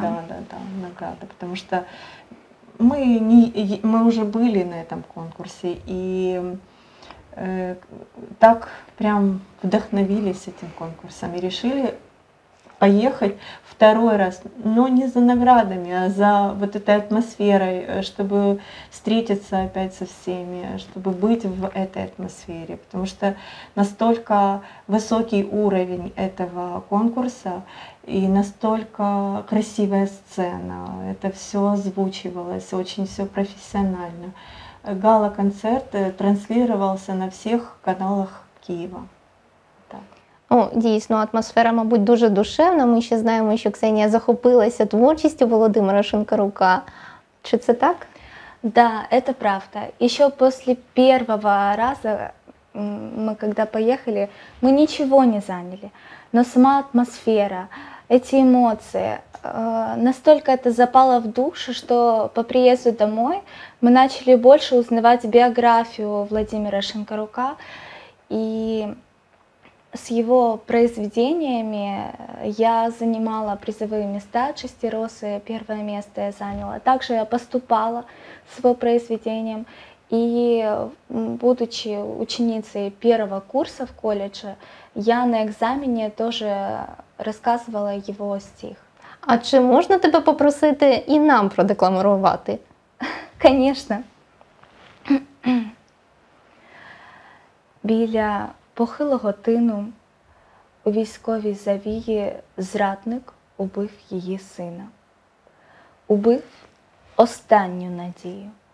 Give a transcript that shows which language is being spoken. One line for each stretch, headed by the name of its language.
Russian: Да, да, да, награда, потому что мы уже были на этом конкурсе и так прям вдохновились этим конкурсом и решили поехать 2-й раз, но не за наградами, а за вот этой атмосферой, чтобы встретиться опять со всеми, чтобы быть в этой атмосфере, потому что настолько высокий уровень этого конкурса. И настолько красивая сцена, это все озвучивалось, очень все профессионально. Гала-концерт транслировался на всех каналах Киева.
Ukrainian: Так. О, дійсно, атмосфера, мабуть, дуже душевна. Ми ще знаємо, що Ксенія захопилася творчістю Володимира Шинкарука. Чи це так?
Russian: Да, это правда. Еще после 1-го раза, мы когда поехали, мы ничего не заняли. Но сама атмосфера... Эти эмоции, настолько это запало в душу, что по приезду домой мы начали больше узнавать биографию Владимира Шинкарука и с его произведениями я занимала призовые места, «Чистиросы», 1-е место я заняла. Также я поступала с его произведением и, будучи ученицей 1-го курса в колледже, я на экзамене тоже рассказывала его стих.
Ukrainian: А чи можно тебе попросити и нам продекламировать?
Russian: Конечно.
Ukrainian: Біля похилого тину у військовій завії зрадник убив її сина. Убив останню надію.